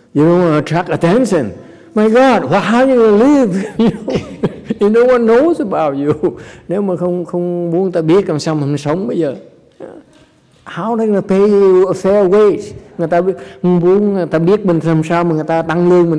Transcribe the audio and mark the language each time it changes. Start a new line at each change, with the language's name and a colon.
English: You don't want to attract attention. My God, well, how are you going to live? And no one knows about you.
Vietnamese: Nếu mà không không muốn ta biết làm sao mình sống bây giờ.
English: How are they gonna pay you a fair wage?
Vietnamese: Người ta muốn người ta biết mình làm sao mà người ta tăng lương mình.